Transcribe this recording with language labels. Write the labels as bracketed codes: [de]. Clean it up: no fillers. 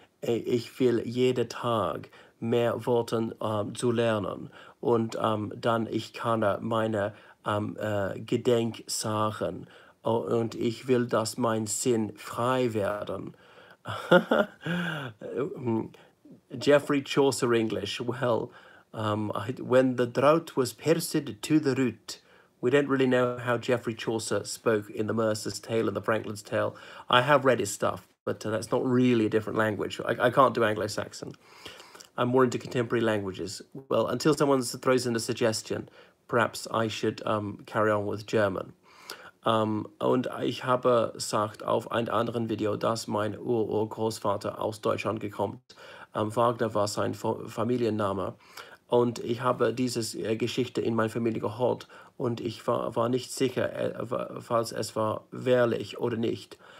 [de] Ich will jeden Tag mehr Worte zu lernen und dann ich kann meine Gedenksachen und ich will, dass mein Sinn frei werden. [en] Geoffrey Chaucer English. Well, when the drought was pierced to the root. We don't really know how Geoffrey Chaucer spoke in the Mercer's Tale and the Franklin's Tale. I have read his stuff. But that's not really a different language. I can't do Anglo-Saxon. I'm more into contemporary languages. Well, until someone throws in a suggestion, perhaps I should carry on with German. [de] Und ich habe gesagt auf einem anderen Video, dass mein Ur-Urgroßvater aus Deutschland gekommen ist. Wagner war sein Familienname. Und ich habe diese Geschichte in meiner Familie gehört. Und ich war nicht sicher, falls es war wahrlich oder nicht.